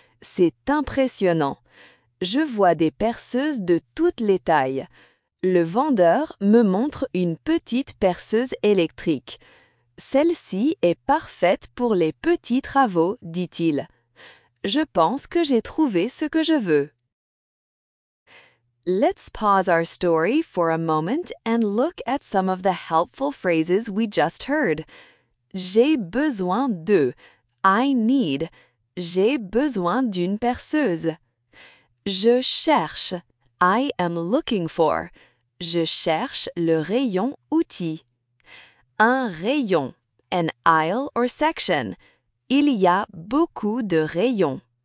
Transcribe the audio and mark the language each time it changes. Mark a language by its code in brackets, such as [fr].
[fr] C'est impressionnant. Je vois des perceuses de toutes les tailles. Le vendeur me montre une petite perceuse électrique. Celle-ci est parfaite pour les petits travaux, dit-il. Je pense que j'ai trouvé ce que je veux. [en] Let's pause our story for a moment and look at some of the helpful phrases we just heard. [fr] J'ai besoin de. [en] I need. [fr] J'ai besoin d'une perceuse. Je cherche. [en] I am looking for. [fr] Je cherche le rayon outil. Un rayon. [en] An aisle or section. [fr] Il y a beaucoup de rayons.